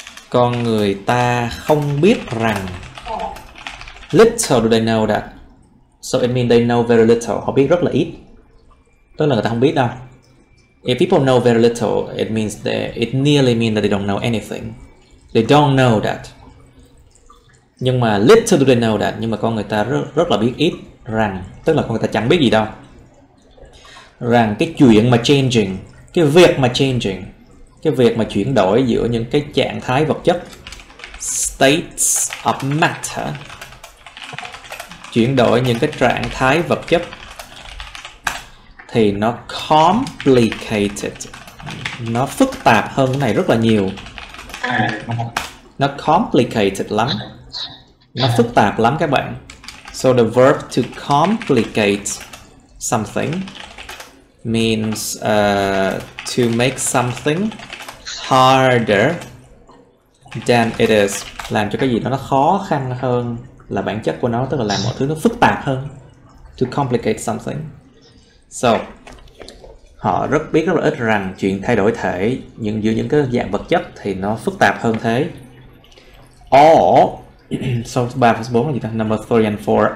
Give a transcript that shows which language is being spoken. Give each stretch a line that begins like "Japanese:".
Vietnamese: Con người ta không biết rằng.
English: Little do they know that. So it means they know very little.
Vietnamese: Họ biết rất là ít. Tức là người ta không biết đâu.
English: If people know very little, it nearly means that they don't know anything. They don't know that.
Vietnamese: Nhưng mà
English: little do they know that.
Vietnamese: Nhưng mà con người ta rất là biết ít rằng. Tức là con người ta chẳng biết gì đâu. Rằng cái chuyện mà changing, cái việc mà changing, cái việc mà chuyển đổi giữa những cái trạng thái vật chất,
English: states of matter,
Vietnamese: chuyển đổi những cái trạng thái vật chất thì nó complicated, nó phức tạp hơn cái này rất là nhiều. Nó complicated lắm, nó phức tạp lắm các bạn.
English: So the verb to complicate something means to make something harder than it is.
Vietnamese: Làm cho cái gì đó nó khó khăn hơn là bản chất của nó, tức là làm mọi thứ nó phức tạp hơn.
English: To complicate something.
Vietnamese: So họ rất biết rất là ít rằng chuyện thay đổi thể nhưng giữa những cái dạng vật chất thì nó phức tạp hơn thế.
English: Or so 3 plus 4
Vietnamese: là gì ta?
English: Number 3 and 4.